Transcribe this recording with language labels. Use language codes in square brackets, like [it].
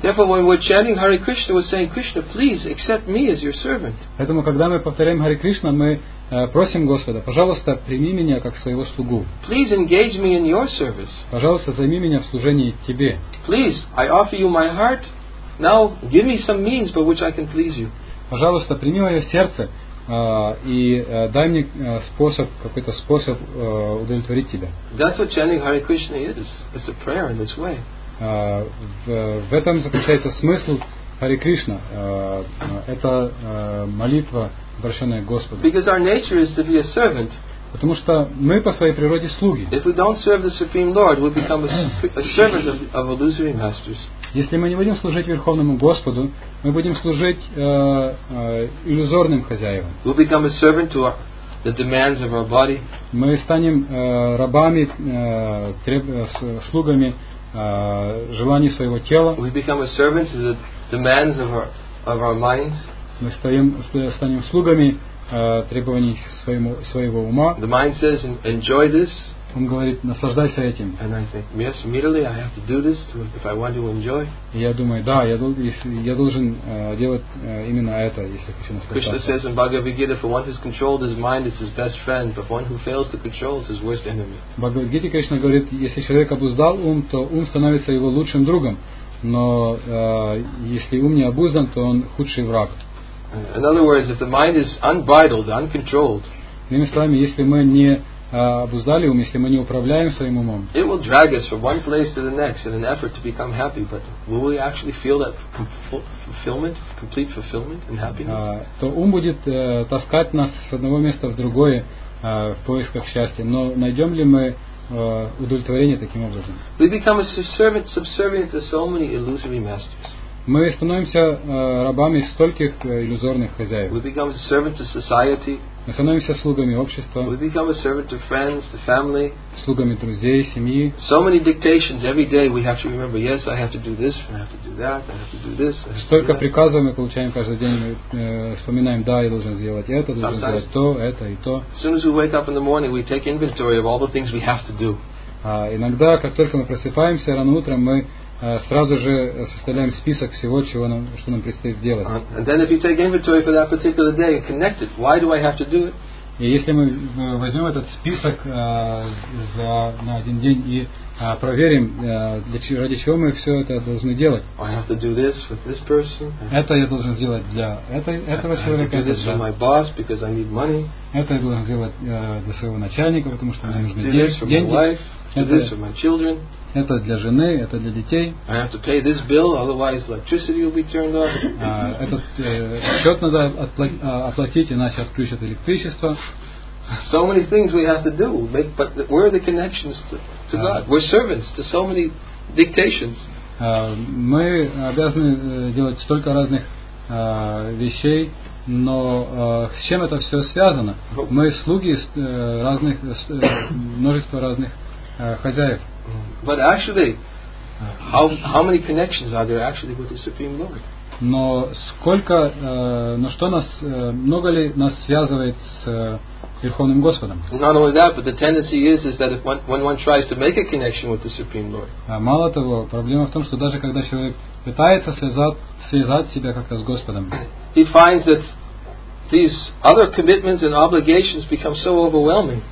[en] Therefore, when we're chanting Hare Krishna, we're saying, Krishna, please accept me as your servant. [ru] Поэтому, когда мы повторяем Hare Krishna, мы просим Господа, пожалуйста, прими меня как своего слугу. [en] Please engage me in your service. [ru] Пожалуйста, займи меня в служении тебе. [en] Please, I offer you my heart. Now, give me some means by which I can please you. [ru] Пожалуйста, прими мое сердце. И дай мне способ, какой-то способ удовлетворить тебя. [en] That's what chanting Hare Krishna is. It's a prayer in this way. [ru] В этом заключается смысл Hare Krishna. Это молитва, обращенная к Господу. [en] Because our nature is to be a servant. [ru] Потому что мы по своей природе слуги. [en] If we don't serve the Supreme Lord, we become a servant of illusory masters. [ru] Если мы не будем служить Верховному Господу, мы будем служить иллюзорным хозяевам. [en] We'll become a servant to the demands of our body. [ru] Мы станем рабами, слугами желаний своего тела. [en] We'll become a servant to the demands of our minds. [ru] Мы станем слугами требований своего ума. [en] The mind says, enjoy this. [ru] Он говорит, наслаждайся этим. [en] And I think, yes, immediately I have to do this to, if I want to enjoy. [ru] Я думаю, да, я должен делать именно это, если хочу наслаждаться. [en] Krishna says in Bhagavad Gita, for one who's controlled his mind is his best friend, but one who fails to control is his worst enemy. [ru] Bhagavad Gita Krishna говорит, если человек обуздал ум, то ум становится его лучшим другом, но если ум не обуздан, то он худший враг. [en] In other words, if the mind is unbridled, uncontrolled. [ru] Иными словами, если мы не обуздали ум, если мы не управляем своим умом. [en] It will drag us from one place to the next in an effort to become happy, but will we actually feel that fulfillment, complete fulfillment and happiness? [ru] То ум будет таскать нас с одного места в другое в поисках счастья, но найдем ли мы удовлетворение таким образом? [en] We become a servant subservient to so many illusory masters. [ru] Мы становимся рабами стольких иллюзорных хозяев. [en] We become a servant to society. [ru] Мы становимся слугами общества. [en] We become a servant to friends, to family. [ru] Слугами друзей, семьи. [en] So many dictations every day we have to remember, yes, I have to do this, and I have to do that, I have to do this. [ru] Столько приказов мы получаем каждый день, мы вспоминаем, да, я должен сделать это, должен сделать то, это и то. [en] As soon as we wake up in the morning, we take inventory of all the things we have to do. [ru] Иногда, как только мы просыпаемся рано утром, мы сразу же составляем список всего, чего нам, что нам предстоит сделать. И если мы возьмем этот список за, на один день и проверим, ради чего мы все это должны делать. [en] I have to do this with this person. [ru] Это я должен сделать для этого человека. [en] I have to do this for my boss because I need money. [ru] Это я должен сделать для своего начальника, потому что мне нужны деньги. Это для моих children. Это для жены, это для детей. [en] I have to pay this bill, otherwise electricity will be turned off. [ru] Этот счет надо оплатить, иначе отключат электричество. [en] So many things we have to do, but where are the connections to God? We're servants to so many dictations. [ru] Мы обязаны делать столько разных вещей, но с чем это все связано? Мы слуги разных множества разных хозяев. [en] But actually, how many connections are there actually with the Supreme Lord? [ru] Но сколько, но что нас, много ли нас связывает с Верховным Господом? [en] Not only that, but the tendency is that if when one tries to make a connection with the Supreme Lord. [ru] Мало того, проблема в том, что даже когда человек пытается связать себя как-то с Господом, [en] he finds that these other commitments and obligations become so overwhelming.